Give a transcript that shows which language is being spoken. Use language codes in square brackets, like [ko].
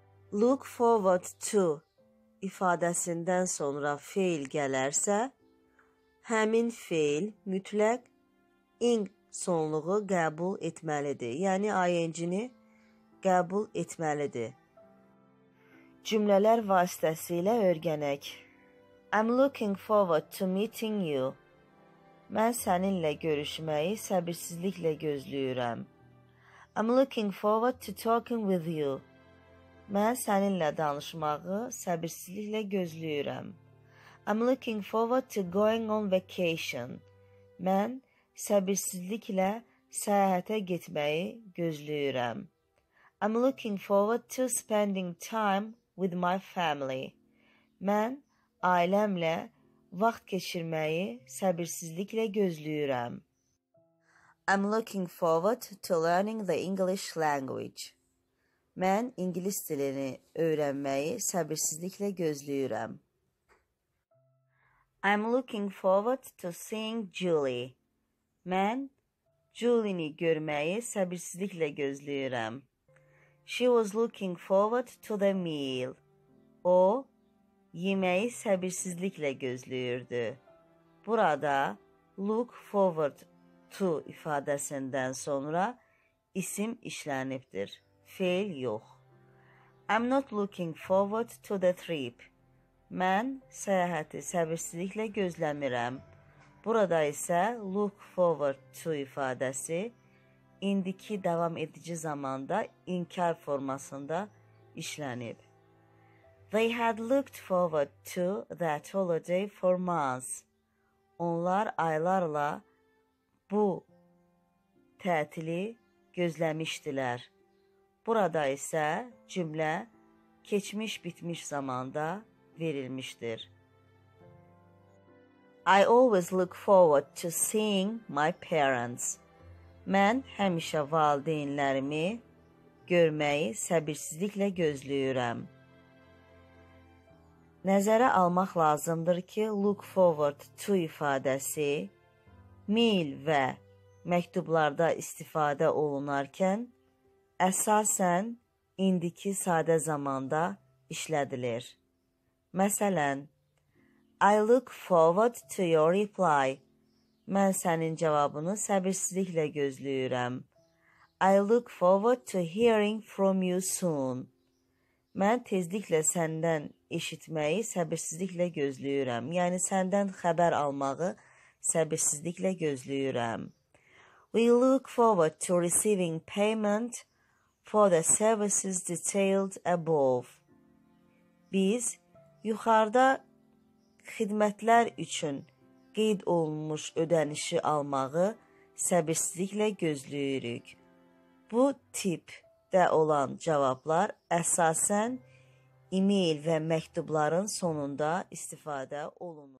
[az] Look forward to ifadəsindən sonra fe'l gələrsə, həmin fe'l mütləq ing sonluğu qəbul etməlidir, yəni ing-ni qəbul etməlidir. Cümlələr vasitəsilə öyrənək. [en] I'm looking forward to meeting you. [az] Mən səninlə görüşməyi səbirsizliklə gözləyirəm. [en] I'm looking forward to talking with you. [az] Mən səninlə danışmağı səbirsizliklə gözləyirəm. [en] I'm looking forward to going on vacation. [az] Mən səbirsizliklə səyahətə getməyi gözləyirəm. [en] I'm looking forward to spending time with my family. [az] Mən ailəmlə vaxt keçirməyi səbirsizliklə gözləyirəm. [en] I'm looking forward to learning the English language. [az] Mən ingilis dilini öyrənməyi səbirsizliklə gözləyirəm. [en] I'm looking forward to seeing Julie. [az] Mən Julie-ni görməyi səbirsizliklə gözləyirəm. [en] She was looking forward to the meal. [az] O, yeməyi səbirsizliklə gözləyirdi. Burada look forward to ifadəsindən sonra isim işlənibdir. Fe'l yox. [en] I'm not looking forward to the trip. [az] Mən səyahəti səbirsizliklə gözləmirəm. Burada isə look forward to ifadəsi indiki davam edici zamanda inkar formasında işlənib. [en] They had looked forward to that holiday for months. [az] Onlar aylarla bu tətili gözləmişdilər. Burada isə cümlə keçmiş bitmiş zamanda verilmişdir. [en] I always look forward to seeing my parents. [az] Mən həmişə valideynlərimi görməyi səbirsizliklə gözləyirəm. Nəzərə almaq lazımdır ki, look forward to ifadəsi mail və məktublarda istifadə olunarkən əsasən indiki sadə zamanda işlədilir. Məsələn, [en] I look forward to your reply. [az] Mən sənin cavabını səbirsizliklə gözləyirəm. [en] I look forward to hearing from you soon. [az] Mən tezliklə səndən eşitməyi səbirsizliklə gözləyirəm. Yəni, səndən xəbər almağı səbirsizliklə gözləyirəm. [en] We look forward to receiving payment for the services detailed above. [az] Biz yuxarıda xidmətlər üçün qeyd olunmuş ödənişi almağı səbirsizliklə gözləyirik. Bu tipdə olan cavablar əsasən e-mail və məktubların sonunda istifadə olunur.